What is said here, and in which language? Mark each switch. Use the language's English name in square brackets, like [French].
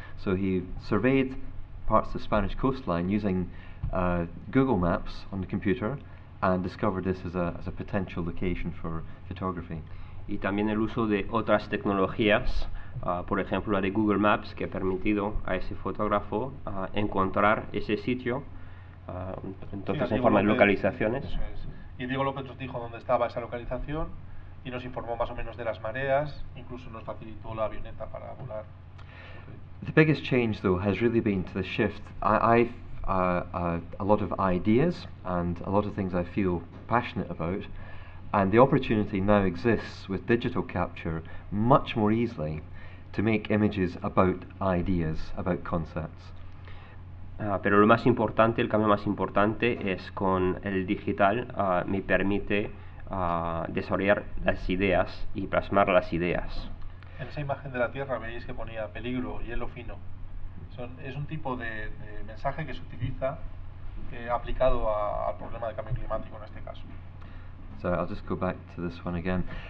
[English] So he surveyed parts of the Spanish coastline using Google Maps on the computer and discovered this as a potential location for photography. [Spanish] Y también el uso de otras tecnologías, por ejemplo la de Google Maps, que ha permitido a ese fotógrafo encontrar ese sitio, entonces sí, en forma de localizaciones. Y Diego López nos dijo dónde estaba esa localización y nos informó más o menos de las mareas, incluso nos facilitó la avioneta para volar. [English] The biggest change, though, has really been to the shift. I've a lot of ideas and a lot of things I feel passionate about, And the opportunity now exists with digital capture much more easily to make images about ideas, about concepts. [Spanish] Pero lo más importante, el cambio más importante es con el digital, me permite desarrollar las ideas y plasmar las ideas. En esa imagen de la Tierra veis que ponía peligro, hielo fino. Es un tipo de mensaje que se utiliza aplicado al problema de cambio climático en este caso. [English] So I'll just go back to this one again.